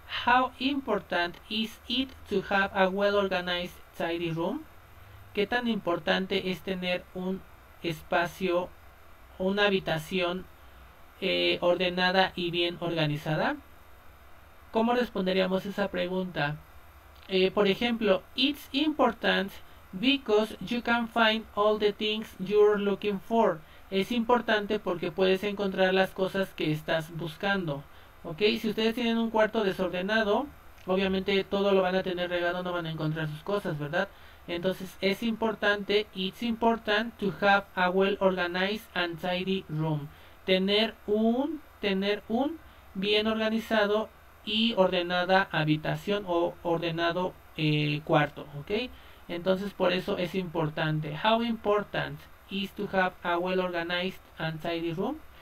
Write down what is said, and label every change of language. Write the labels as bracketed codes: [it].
[en] How important is it to have a well-organized tidy room? [es] ¿Qué tan importante es tener un espacio, una habitación ordenada y bien organizada? ¿Cómo responderíamos esa pregunta? Por ejemplo, [en] it's important because you can find all the things you're looking for. [es] Es importante porque puedes encontrar las cosas que estás buscando. ¿Ok? Si ustedes tienen un cuarto desordenado, obviamente todo lo van a tener regado, no van a encontrar sus cosas, ¿verdad? Entonces, es importante, [en] it's important to have a well-organized and tidy room. [es] Tener un bien organizado y ordenada habitación o ordenado cuarto, ¿ok? Entonces, por eso es importante. [en] How important is to have a well-organized and tidy room?